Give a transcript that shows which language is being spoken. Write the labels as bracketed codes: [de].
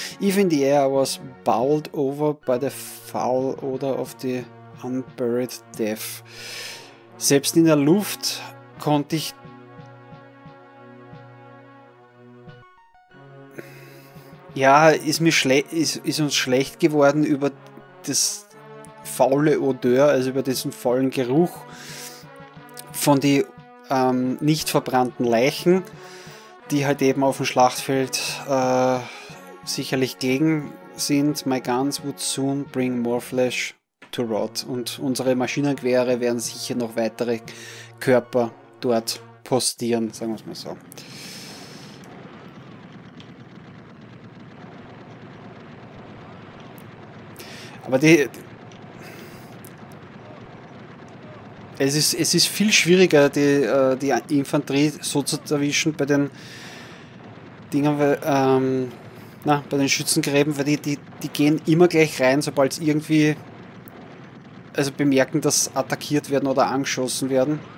[en] Even the air was bowled over by the foul odor of the unburied death. [de] Selbst in der Luft konnte ich ist uns schlecht geworden über das faule Odeur, also über diesen faulen Geruch von den nicht verbrannten Leichen, die halt eben auf dem Schlachtfeld sicherlich gegen sind. [en] My guns would soon bring more flesh to rot. [de] Und unsere Maschinengewehre werden sicher noch weitere Körper dort postieren, sagen wir es mal so. Aber es ist viel schwieriger, die Infanterie so zu erwischen bei den Dingen, bei den Schützengräben, weil die gehen immer gleich rein, sobald es irgendwie bemerken, dass attackiert werden oder angeschossen werden.